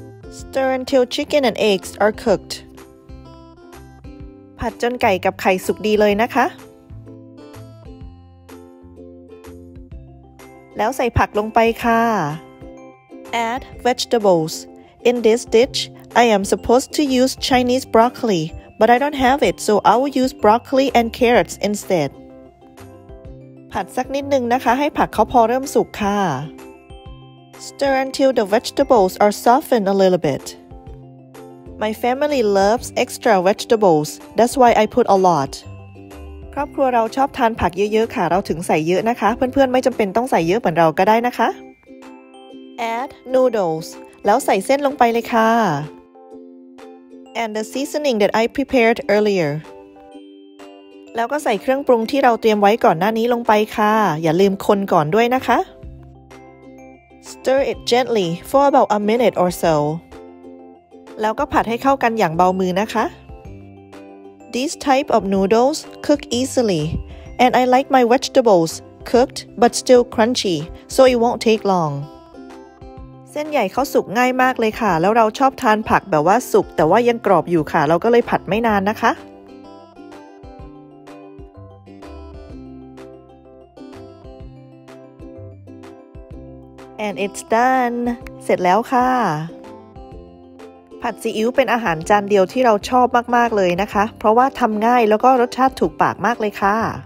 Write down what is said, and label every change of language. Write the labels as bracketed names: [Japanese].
[English] Stir until chicken and eggs are cooked. [Thai] ผัดจนไก่กับไข่สุกดีเลยนะคะแล้วใส่ผักลงไปค่ะ [English] Add vegetables. In this dish, I am supposed to use Chinese broccoli, but I don't have it, so I will use broccoli and carrots instead. [Thai] ผัดสักนิดนึงนะคะให้ผักเขาพอเริ่มสุกค่ะ [English] Stir until the vegetables are softened a little bit. My family loves extra vegetables. That's why I put a lot. [Thai] ครอบครัวเราชอบทานผักเยอะๆค่ะเราถึงใส่เยอะนะคะเพื่อนๆไม่จำเป็นต้องใส่เยอะเหมือนเราก็ได้นะคะ [English] Add noodles. [Thai] แล้วใส่เส้นลงไปเลยค่ะ [English] And the seasoning that I prepared earlier. [Thai] แล้วก็ใส่เครื่องปรุงที่เราเตรียมไว้ก่อนหน้านี้ลงไปค่ะอย่าลืมคนก่อนด้วยนะคะ [English] Stir it gently for about a minute or so [Thai] แล้วก็ผัดให้เข้ากันอย่างเบามือนะคะ D [English] this type of noodles cook easily, and I like my vegetables cooked but still crunchy, so it won't take long. [Thai] เส้นใหญ่เขาสุกง่ายมากเลยค่ะแล้วเราชอบทานผักแบบว่าสุกแต่ว่ายังกรอบอยู่ค่ะเราก็เลยผัดไม่นานนะคะ [English] And it's done [Thai] เสร็จแล้วค่ะผัดซีอิ๊วเป็นอาหารจานเดียวที่เราชอบมากๆเลยนะคะเพราะว่าทำง่ายแล้วก็รสชาติถูกปากมากเลยค่ะ